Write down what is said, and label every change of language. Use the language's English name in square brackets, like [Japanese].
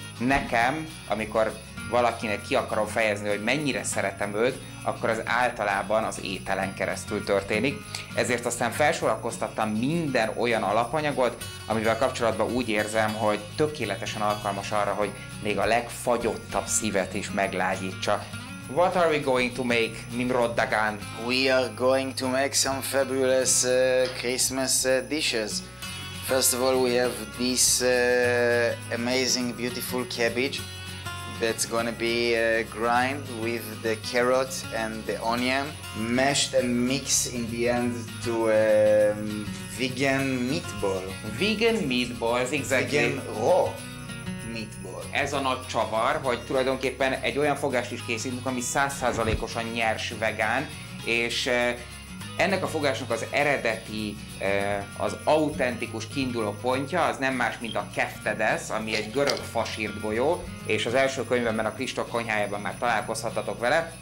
[Hungarian] Nekem, amikor valakinek ki akarom fejezni, hogy mennyire szeretem őt, akkor az általában az ételen keresztül történik. Ezért aztán felsorakoztattam minden olyan alapanyagot, amivel kapcsolatban úgy érzem, hogy tökéletesen alkalmas arra, hogy még a legfagyottabb szívet is meglágyítsa. [English] What are we going to make, Nimrod Dagan? We are going to make some fabulous Christmas dishes. First of all, we have this amazing, beautiful cabbage that's gonna be grind with the carrot and the onion, mashed and mixed in the end to a vegan meatball. Vegan meatballs, exactly. Vegan raw meatball. [Hungarian] Ez a nagy csavar, hogy tulajdonképpen egy olyan fogást is készítünk, ami 100%-osan nyers vegán, és ennek a fogásnak az eredeti, az autentikus kiinduló pontja az nem más, mint a keftedesz, ami egy görög fasírt golyó, és az első könyvemben, a Kristóf konyhájában már találkozhattatok vele.